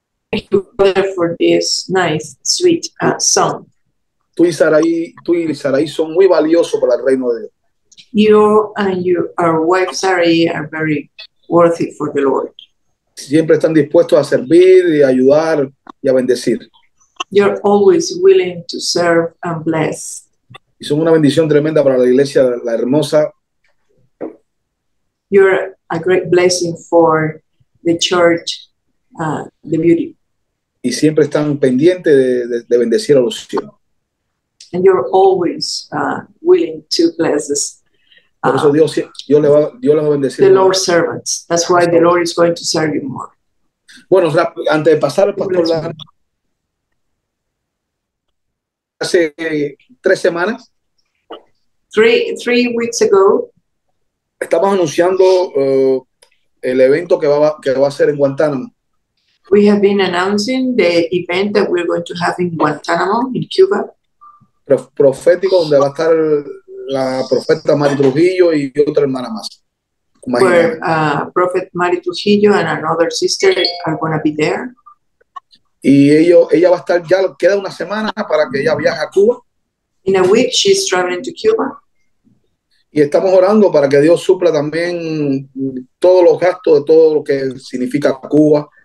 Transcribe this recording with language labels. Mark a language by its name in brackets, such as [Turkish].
[English] Thank you, Father, for this nice, sweet song. [Spanish] Tú y Sarai son muy valiosos para el reino de Dios. [English] You and your wife Sarai are very worthy for the Lord. [Spanish] Siempre están dispuestos a servir y ayudar y a bendecir. [English] You're always willing to serve and bless. [Spanish] Y son una bendición tremenda para la iglesia, la hermosa. [English] You're a great blessing for the church, the beauty. [Spanish] Y siempre están pendientes de bendecir a los cielos. [English] And you're always willing to bless us. [Spanish] Por eso Dios le va a bendecir. [English] The Lord's servants. That's why the Lord is going to serve you more. [Spanish] Bueno, antes de pasar al pastor Lanny, hace 3 semanas. [English] Three weeks ago. [Spanish] Estamos anunciando el evento que va a ser en Guantánamo. [English] We have been announcing the event that we're going to have in Guantánamo, in Cuba. [Spanish] Profético, donde va a estar la profeta Mari Trujillo y otra hermana más. Imagínate. [English] Where Prophet Mari Trujillo and another sister are going to be there. [Spanish] Y ella va a estar, ya queda una semana para que ella viaje a Cuba. [English] In a week she's traveling to Cuba. [Spanish] Y estamos orando para que Dios supla también todos los gastos de todo lo que significa Cuba.